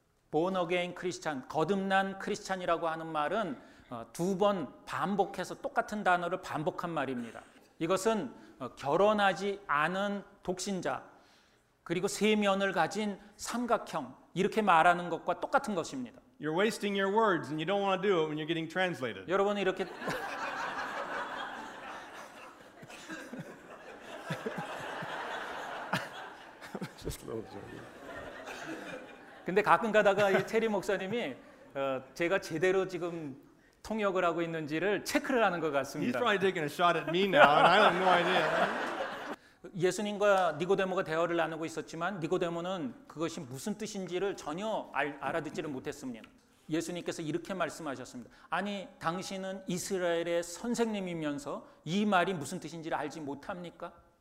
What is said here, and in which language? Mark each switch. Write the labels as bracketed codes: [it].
[en] Born again [ko] 크리스찬, 거듭난 크리스찬이라고 하는 말은 두 번 반복해서 똑같은 단어를 반복한 말입니다. 이것은 결혼하지 않은 독신자 그리고 세면을 가진 삼각형 이렇게 말하는 것과 똑같은 것입니다. [en] You're wasting your words and you don't want to do it when you're getting translated. [ko] 여러분 이렇게 [en] Just a little joke. [ko] 근데 가끔 가다가 이 테리 목사님이 제가 제대로 지금 통역을 하고 있는지를 체크를 하는 것 같습니다. [en] He's probably taking a shot at me now and I have no idea. [ko] 예수님과 니고데모가 대화를 나누고 있었지만 니고데모는 그것이 무슨 뜻인지를 전혀 알아듣지를 못했습니다. 예수님께서 이렇게 말씀하셨습니다. 아니 당신은 이스라엘의 선생님이면서 이 말이 무슨 뜻인지를 알지 못합니까?